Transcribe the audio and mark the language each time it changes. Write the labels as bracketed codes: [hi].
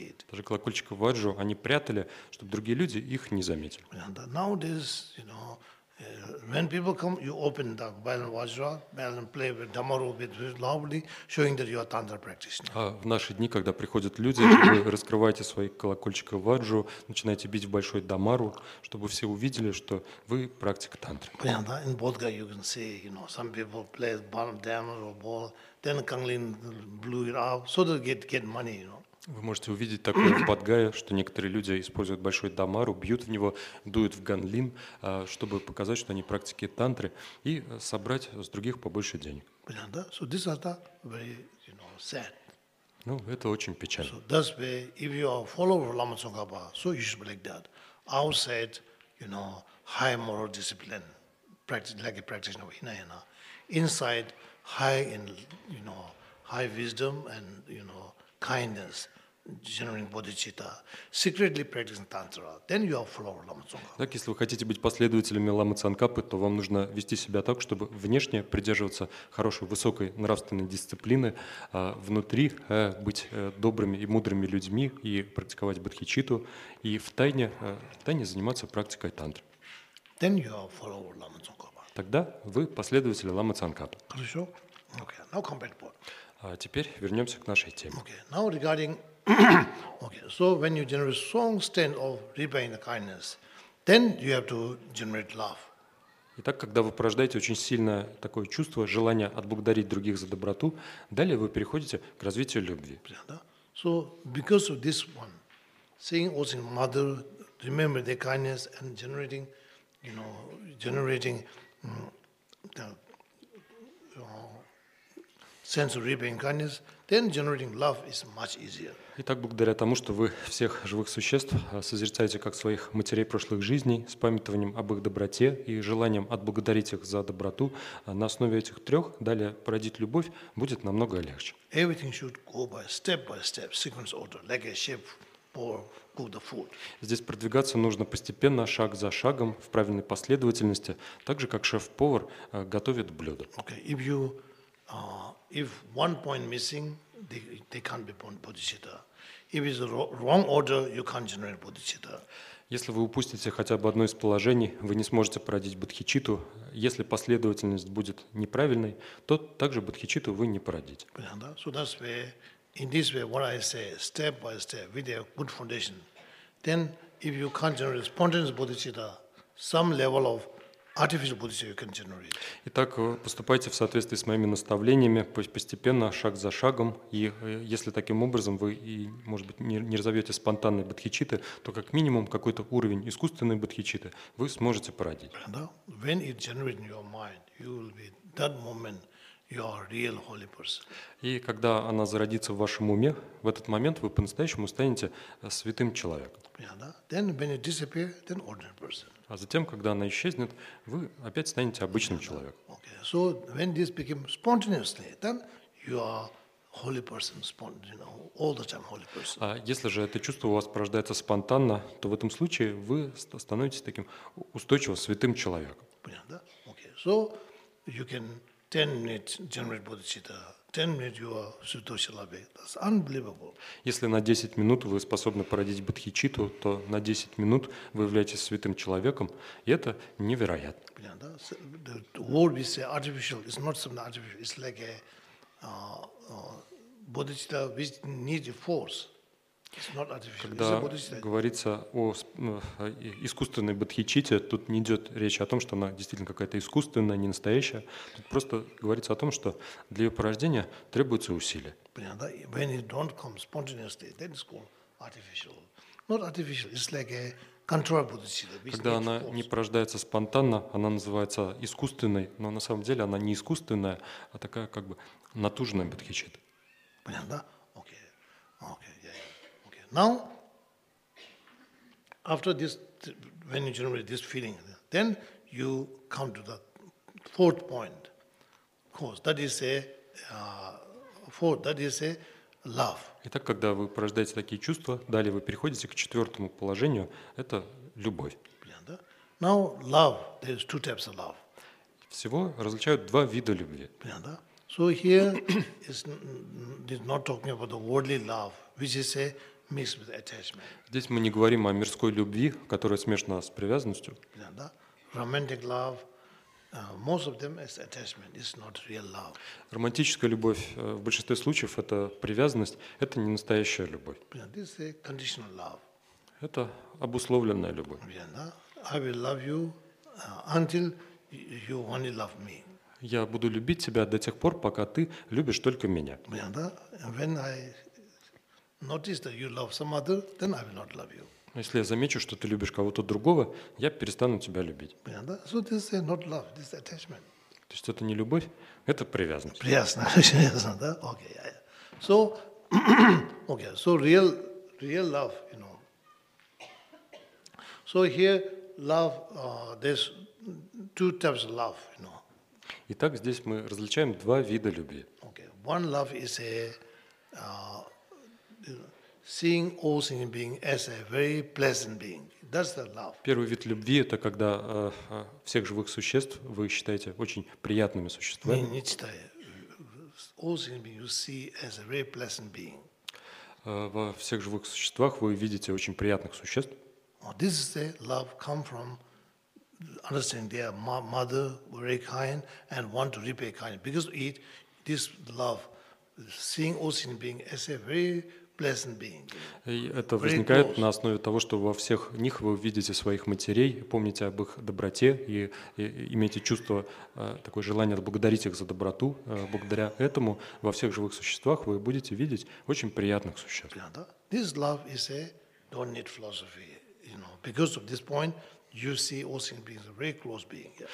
[ru] Даже колокольчик и важу они прятали, чтобы другие люди их не заметили. [en] Nowadays, you know, when people come, you open the bell and vajra, bell and play with damaru, with loudly, showing that you are tantra practitioner. [ru] В наши дни, когда приходят люди, вы раскрываете свои колокольчики ваджу, начинаете бить в большой дамару, чтобы все увидели, что вы практик тантры. Понятно, да? [en] In Bodhgaya you can see, you know, some people play damaru ball, then Kanglin blew it up, so they get money, you know. [ru] Вы можете увидеть такое в Батгае, что некоторые люди используют большой дамару, бьют в него, дуют в ганлин, чтобы показать, что они практикуют тантры, и собрать с других побольше денег. Понятно? [en] So this is the very, you know, sad. [ru] Ну, это очень печально. [en] So that's why if you are follower of Lama Tsongkhapa, so you should be like that. Outside, you know, high moral discipline, practice, like a practice of Hinayana. Inside, high in, you know, high wisdom and, you know, kindness, generating bodhicitta, secretly practicing tantra, then you are follower of Lama Tsongkhapa. [ru] Так, если вы хотите быть последователями Ламы Цанкапы, то вам нужно вести себя так, чтобы внешне придерживаться хорошей, высокой нравственной дисциплины, а внутри быть добрыми и мудрыми людьми и практиковать бодхичитту, и втайне заниматься практикой тантры. [en] Then you are follower of Lama Tsongkhapa. [ru] Тогда вы последователи Ламы Цанкапы. Хорошо. [en] Okay, now come back to board. [ru] А теперь вернемся к нашей теме. [en] Okay, now regarding, okay, so when you generate strong stand of repaying the kindness, then you have to generate love. [ru] Итак, когда вы порождаете очень сильное такое чувство, желание отблагодарить других за доброту, далее вы переходите к развитию любви. [en] So because of this one, seeing also mother remember their kindness and generating, you know, generating the, you know, sense of repaying kindness, then generating love is much easier. [ru] Итак, благодаря тому, что вы всех живых существ созерцаете как своих матерей прошлых жизней, с памятованием об их доброте и желанием отблагодарить их за доброту, на основе этих трех далее породить любовь будет намного легче. [en] Everything should go by step, sequence order, like a chef pour cook the food. [ru] Здесь продвигаться нужно постепенно, шаг за шагом, в правильной последовательности, так же как шеф-повар готовит блюдо. [en] Okay, if you if one point missing, they can't be bodhicitta. If it's a wrong order, you can't generate bodhicitta. [ru] Если вы упустите хотя бы одно из положений, вы не сможете породить бодхичитту. Если последовательность будет неправильной, то также бодхичитту вы не породите. Понятно? [en] So that's where, in this way, what I say, step by step, with a good foundation, then if you can't generate spontaneous bodhicitta, some level of artificial bodhicitta you can generate. [ru] Итак, поступайте в соответствии с моими наставлениями, постепенно, шаг за шагом, и если таким образом вы, и, может быть, не разовьете спонтанные бодхичитты, то как минимум какой-то уровень искусственной бодхичитты вы сможете породить. Да? [en] When it generates in your mind, you will be that moment you are real holy person. [ru] И когда она зародится в вашем уме, в этот момент вы по-настоящему станете святым человеком. Да? [en] Then when it disappears, then ordinary person. [ru] А затем, когда она исчезнет, вы опять станете обычным человеком. [en] Okay. So when this became spontaneously, then you are holy person, you know, all the time holy person. [ru] А если же это чувство у вас порождается спонтанно, то в этом случае вы становитесь таким устойчиво святым человеком. Понятно? [en] Okay. So you can 10 minutes generate bodhicitta. 10 minutes you are Sutoshilabi. That's unbelievable. [ru] Если на 10 минут вы способны породить бодхичитту, то на 10 минут вы являетесь святым человеком, и это невероятно. [en] Yeah, [ru] да? [en] So the word we say artificial is not something artificial. It's like a bodhicitta which needs force. [ru] Когда говорится о искусственной бодхичитте, тут не идет речь о том, что она действительно какая-то искусственная, не настоящая. Тут просто говорится о том, что для ее порождения требуются усилия. Понятно? [en] When it don't come spontaneously, then it's called artificial. Not artificial, it's like a control bodhicitta. [ru] Когда она не порождается спонтанно, она называется искусственной, но на самом деле она не искусственная, а такая как бы натуженная бодхичитта. Понятно? [en] Okay. Okay. Now, after this, when you generate this feeling, then you come to the fourth point. Of course, that is a fourth. That is a love. [ru] Итак, когда вы порождаете такие чувства, далее вы переходите к четвертому положению. Это любовь. [en] Now, love. There's two types of love. [ru] Всего различают два вида любви. [en] So here is not talking about the worldly love, which is a mixed with attachment. [ru] Здесь мы не говорим о мирской любви, которая смешана с привязанностью. [en] Yeah, [ru] да? [en] Romantic love, most of them is attachment, it's not real love. [ru] Романтическая любовь в большинстве случаев это привязанность, это не настоящая любовь. [en] Yeah, this is a conditional love. [ru] Это обусловленная любовь. [en] Yeah, [ru] да? [en] I will love you until you only love me. [ru] Я буду любить тебя до тех пор, пока ты любишь только меня. [en] Yeah, [ru] да? [en] When I notice that you love some other, then I will not love you. [ru] Если я замечу, что ты любишь кого-то другого, я перестану тебя любить. Понятно? [en] So this is not love, this is attachment. [ru] То есть это не любовь, это привязанность. Привязанность, да? [en] Okay, yeah, yeah. So, okay, so real love, you know. So here, love, there's two types of love, you know. [ru] Итак, здесь мы различаем два вида любви. [en] Okay, one love is a seeing all sentient being as a very pleasant being. That's the love. [ru] Первый вид любви – это когда всех живых существ вы считаете очень приятными существами. Не читая. [en] All sentient being you see as a very pleasant being. [ru] Во всех живых существах вы видите очень приятных существ. [en] This is the love come from understanding their mother very kind and want to repay kindness. Because it, this love, seeing all sentient being as a very pleasant being. [ru] И это возникает на основе того, что во всех них вы видите своих матерей, помните об их доброте и имеете чувство, такое желание отблагодарить их за доброту. Благодаря этому во всех живых существах вы будете видеть очень приятных существ. [en] This love is a don't need philosophy, you know, because of this point you see all sentient beings very close being.